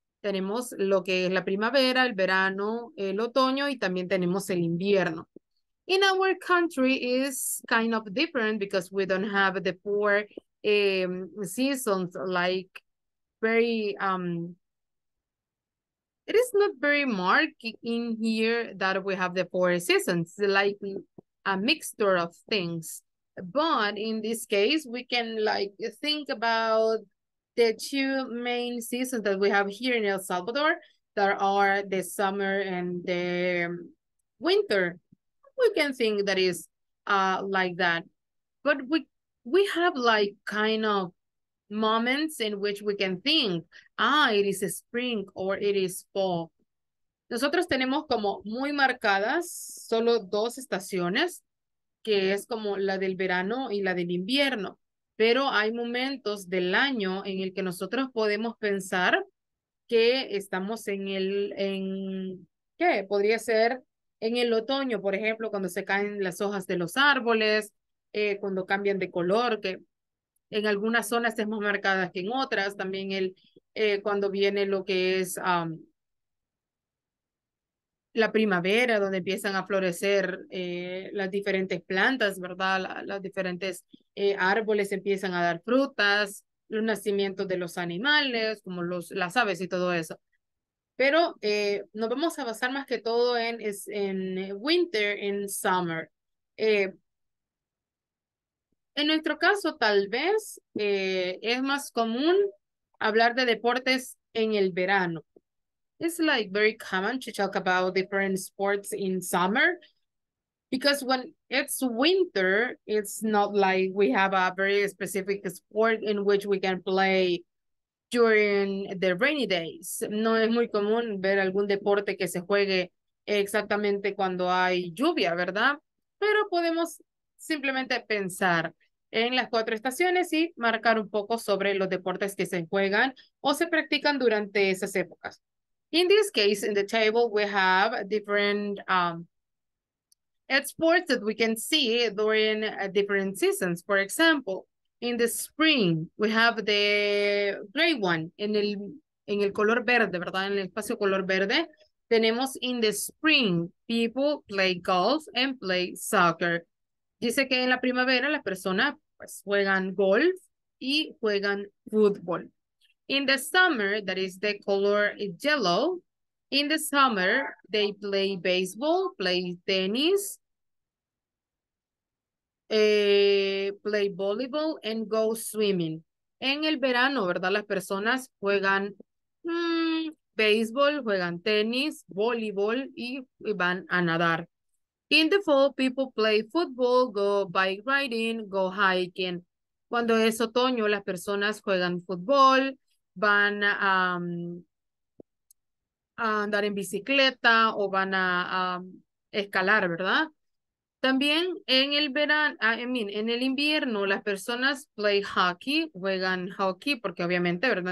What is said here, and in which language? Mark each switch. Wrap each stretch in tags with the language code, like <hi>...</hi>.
<es>Tenemos lo que es la primavera, el verano, el otoño, y también tenemos el invierno.</es> <en>In our country, is kind of different because we don't have the four seasons, like very, it is not very marked in here that we have the four seasons, like a mixture of things. But in this case, we can like think about the two main seasons that we have here in El Salvador, that are the summer and the winter. We can think that is like that. But we have like kind of moments in which we can think, it is spring or it is fall.</en> <es>Nosotros tenemos como muy marcadas solo dos estaciones, que es como la del verano y la del invierno. Pero hay momentos del año en el que nosotros podemos pensar que estamos en ¿Qué? Podría ser en el otoño, por ejemplo, cuando se caen las hojas de los árboles, cuando cambian de color, que en algunas zonas es más marcada que en otras. También cuando viene lo que es la primavera, donde empiezan a florecer las diferentes plantas, ¿verdad? Las diferentes árboles empiezan a dar frutas, los nacimientos de los animales, como las aves y todo eso. Pero nos vamos a basar más que todo en winter, en summer. En nuestro caso, tal vez es más común hablar de deportes en el verano.</es> <en>It's like very common to talk about different sports in summer because when it's winter, it's not like we have a very specific sport in which we can play during the rainy days.</en> <es>No es muy común ver algún deporte que se juegue exactamente cuando hay lluvia, ¿verdad? Pero podemos simplemente pensar en las cuatro estaciones y marcar un poco sobre los deportes que se juegan o se practican durante esas épocas.</es> <en>In this case, in the table, we have different sports that we can see during different seasons. For example, in the spring, we have the gray one,</en> <es>en el color verde, ¿verdad? En el espacio color verde, tenemos</es> <en>in the spring, people play golf and play soccer.</en> <es>Dice que en la primavera las personas pues juegan golf y juegan fútbol.</es> <en>In the summer, that is the color yellow. In the summer, they play baseball, play tennis, play volleyball and go swimming.</en> <es>En el verano, ¿verdad? Las personas juegan béisbol, juegan tenis, voleibol y van a nadar.</es> <en>In the fall, people play football, go bike riding, go hiking.</en> <es>Cuando es otoño, las personas juegan fútbol, van a andar en bicicleta o van a escalar, ¿verdad? También en el verano, en el invierno, las personas</es> <en>play hockey,</en> <es>juegan hockey, porque obviamente, ¿verdad?</es>